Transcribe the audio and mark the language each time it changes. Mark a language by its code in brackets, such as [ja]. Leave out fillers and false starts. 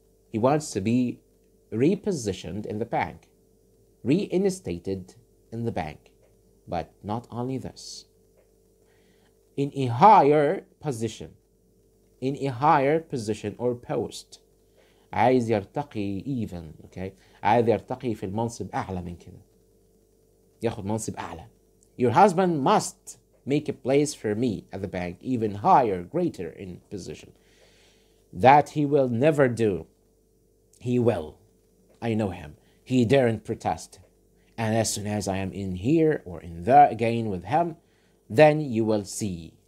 [en] He wants to be repositioned in the bank, reinstated in the bank. But not only this. In a higher position, in a higher position or post. [ar] عايز يرتقي [en] even, okay? [ar] عايز يرتقي في المنصب أعلى من كده. ياخد منصب أعلى. [en] Your husband must make a place for me at the bank, even higher, greater in position. That he will never do. He will. I know him. He daren't protest. And as soon as I am in here or in there again with him, then you will see.